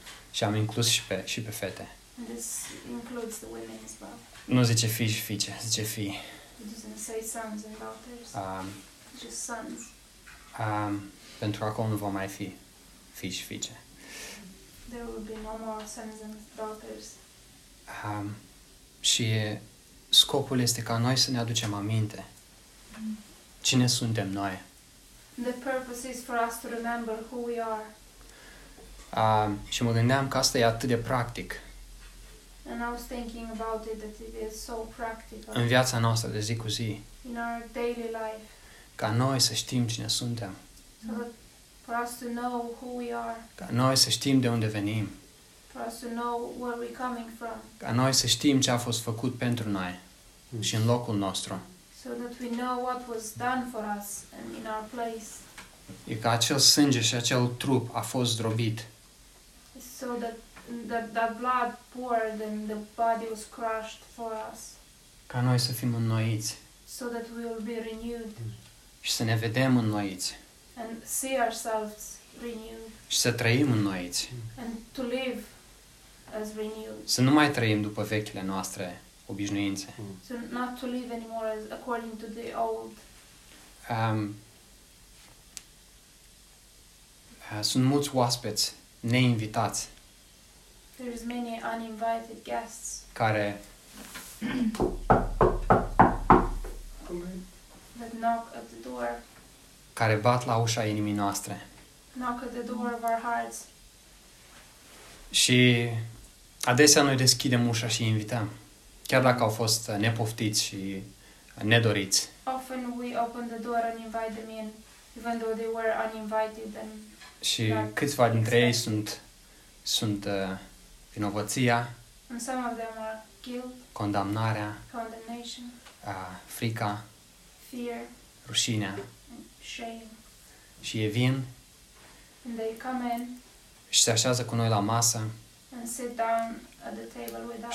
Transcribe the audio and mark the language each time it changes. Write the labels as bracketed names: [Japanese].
[Romanian] Și am inclus și pe fete. [English] This includes the women as well. [Romanian] Nu zice fii și fiice, zice fii. [English] It doesn't say sons and daughters. Just sons. [Romanian] Pentru că acolo nu vom mai fi fii și fiice. [English] There will be no more sons and daughters. [Romanian] Și scopul este ca noi să ne aducem aminte cine suntem noi. [English] The purpose is for us to remember who we are. [Romanian] Și mă gândeam că asta e atât de practic. [English] And I was thinking about it that it is so practical. [Romanian] În viața noastră de zi cu zi. [English] In our daily life. [Romanian] Ca noi să știm cine suntem. [English] So for us to know who we are. [Romanian] Ca noi să știm de unde venim. [English] For us to know where we're coming from. [Romanian] Ca noi să știm ce a fost făcut pentru noi și în locul nostru. [English] So that we know what was done for us and in our place. [Romanian] E ca acel sânge și acel trup a fost zdrobit. [English] So that the blood poured and the body was crushed for us. [Romanian] Ca noi să fim înnoiți. [English] So that we will be renewed. [Romanian] Și să ne vedem înnoiți. [English] And see ourselves renewed. [Romanian] Și să trăim înnoiți. [English] And to live as renewed. [Romanian] Să nu mai trăim după vechile noastre obișnuințe. [English] So not to live anymore as according to the old. [Romanian] Sunt mulți oaspeți neinvitați. [English] There is many uninvited guests. [Romanian] Care [English] that knock at the door. [Romanian] Care bat la ușa inimii noastre. [English] Knock at the door of our hearts. [Romanian] Și adesea noi deschidem ușa și invităm, chiar dacă au fost nepoftiți și nedoriți. [English] Often we open the door and invite them in, even though they were uninvited and. [Romanian] Și câțiva dintre ei sunt vinovăția, [English] and some of them are guilt, [Romanian] condamnarea, [English] condemnation, [Romanian] frica, [English] fear, [Romanian] rușinea, [English] shame. [Romanian] Și ei vin [English] and they come in, [Romanian] și se așează cu noi la masă [English] and sit down at the table with us,